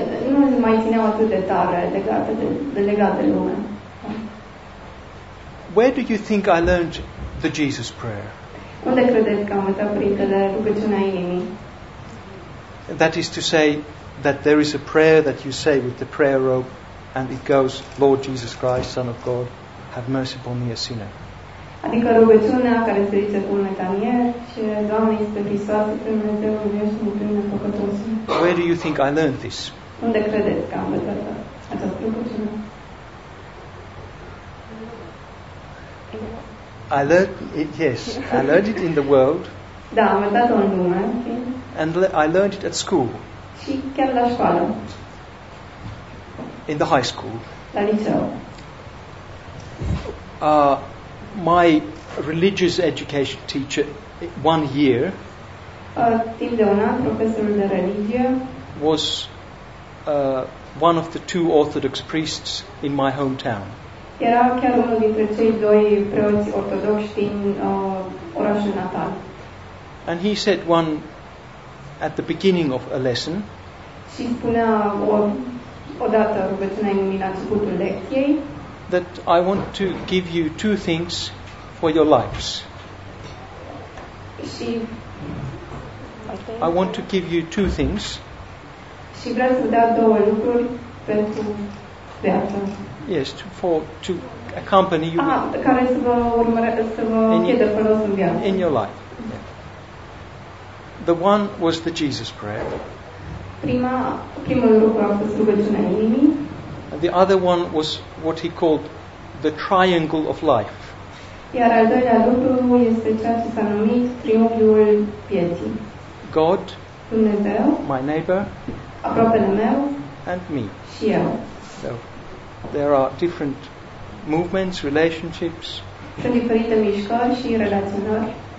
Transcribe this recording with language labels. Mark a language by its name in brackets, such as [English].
[Romanian] Nu mai țineau atât de tare legate de lume. [English] Where do you think I learned the Jesus prayer? [Romanian] Unde credeți că am învățat Părintele rugăciunea inimii? [English] That is to say that there is a prayer that you say with the prayer robe, and it goes, Lord Jesus Christ, Son of God, have mercy upon me, a sinner. [Romanian] Adică rugăciunea care se zice cu metanie și Doamne este Hristos, Dumnezeu meu și mă prime păcătos. [English] Where do you think I learned this? [Romanian] Unde credeți că am învățat această rugăciune? [English] I learned it in the world. [Romanian] Da, am învățat-o în lume. [English] And I learned it at school. [Romanian] Și chiar la școală. [English] In the high school. [Romanian] La liceu. [English] My religious education teacher, one year, [Romanian] timp de un an, profesorul de religie, [English] was one of the two Orthodox priests in my hometown. [Romanian] Era chiar unul dintre cei doi preoți ortodoxi din orașul natal. [English] And he said one at the beginning of a lesson, [Romanian] și spunea odată rugăciunea inimii la începutul lecției, [English] that I want to give you two things for your lives. [Romanian] Și [English] I want to give you two things. [Romanian] Și vreau să dau două lucruri pentru viață. [English] Yes, to accompany you. [Romanian] Care să vă urmărească, să vă fie de folos în viață. [English] In your life. The one was the Jesus prayer. [Romanian] Primul lucru a fost rugăciunea inimii. [English] The other one was what he called the triangle of life. [Romanian] Iar al doilea lucru este ceea ce s-a numit triunghiul vieții. [English] God, [Romanian] Dumnezeu, [English] my neighbor, [Romanian] aproapele meu, [English] and me. [Romanian] Și eu. [English] So there are different movements, relationships. [Romanian] Sunt diferite mișcări și relaționări.